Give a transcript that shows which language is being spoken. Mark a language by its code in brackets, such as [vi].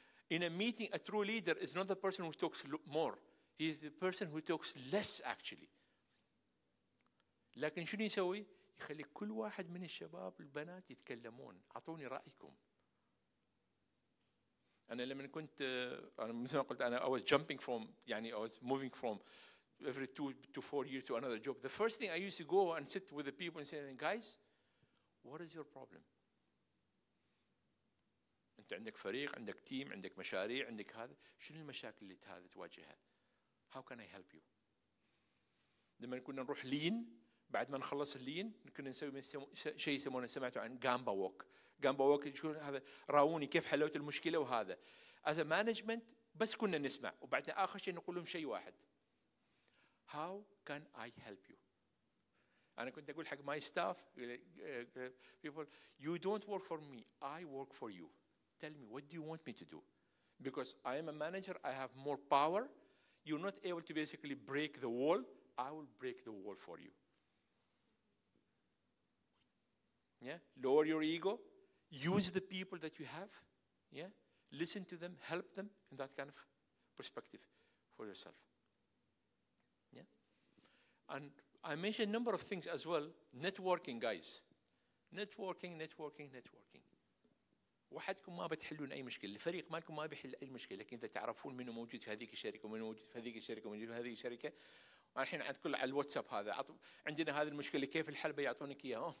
[en] In a meeting, a true leader is not the person who talks more. He's the person who talks less, actually. [ar] لكن شنو يسوي؟ يخلي كل واحد من الشباب البنات يتكلمون. عطوني رأيكم. أنا لما كنت مثل ما قلت أنا [en] I was jumping from [ar] يعني [en] I was moving from every 2 to 4 years to another job. The first thing I used to go and sit with the people and say, guys, what is your problem? [ar] انت عندك فريق, عندك تيم, عندك مشاريع, عندك هذا. شنو المشاكل اللي تواجهها? [en] How can I help you? [ar] لما كنا نروح لين, بعد ما نخلص اللين, كنا نسوي شيء يسمونه سمعته عن جامبا ووك. جامبا ووك, هذا راوني كيف حلوت المشكلة وهذا. [en] As a management, [ar] بس كنا نسمع. وبعد آخر شيء نقول لهم شيء واحد. [en] How can I help you? [ar] أنا كنت أقول حق [en] my staff people, you don't work for me, I work for you. Tell me, what do you want me to do? Because I am a manager, I have more power. You're not able to basically break the wall. I will break the wall for you. Yeah, lower your ego. Use the people that you have. Yeah, listen to them, help them in that kind of perspective for yourself. Yeah, and I mentioned a number of things as well. Networking, guys. Networking, networking, networking. [ar] وحدكم ما بتحلون أي مشكلة. الفريق مالكم ما بيحل أي مشكلة. لكن إذا تعرفون منه موجود في هذه الشركة ومنه موجود في هذه الشركة ومنه موجود في هذه الشركة. الحين عند كل على الواتساب هذا عندنا هذه المشكلة كيف الحل بيعطونك إياه.